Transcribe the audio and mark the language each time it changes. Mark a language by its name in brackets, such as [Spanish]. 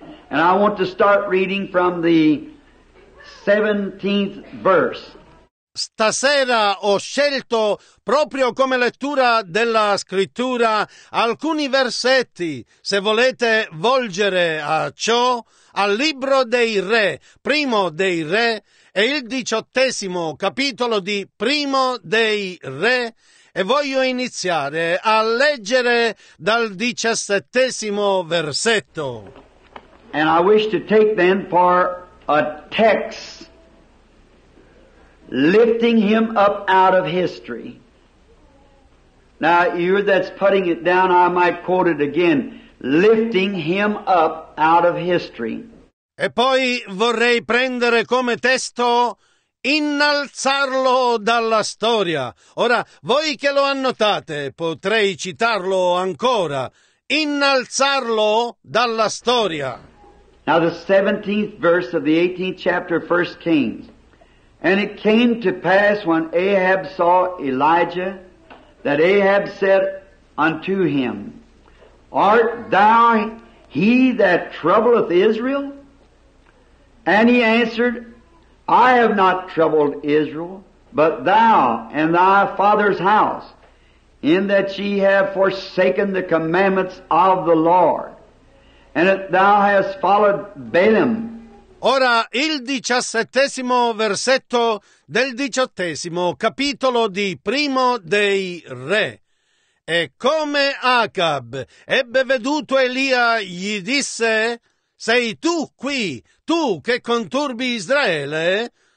[English] And I want to start reading from the 17th verse. [Italian] Stasera ho scelto proprio come lettura della scrittura alcuni versetti, se volete volgere a ciò, al libro dei re, primo dei re, e il 18° capitolo di primo dei re, e voglio iniziare a leggere dal 17° versetto. [English] And I wish to take them for a text. Lifting him up out of history. Now, you that's putting it down, I might quote it again. Lifting him up out of history. [Italian] E poi vorrei prendere come testo innalzarlo dalla storia. Ora, voi che lo annotate, potrei citarlo ancora. Innalzarlo dalla storia. [English] Now, the 17th verse of the 18th chapter of 1 Kings. And it came to pass when Ahab saw Elijah, that Ahab said unto him, Art thou he that troubleth Israel? And he answered, I have not troubled Israel, but thou and thy father's house, in that ye have forsaken the commandments of the Lord, and that thou hast followed Balaam. [Italian] Ora il 17° versetto del 18° capitolo di Primo dei Re. E come Acab ebbe veduto Elia, gli disse, Sei tu qui, tu che conturbi Israele?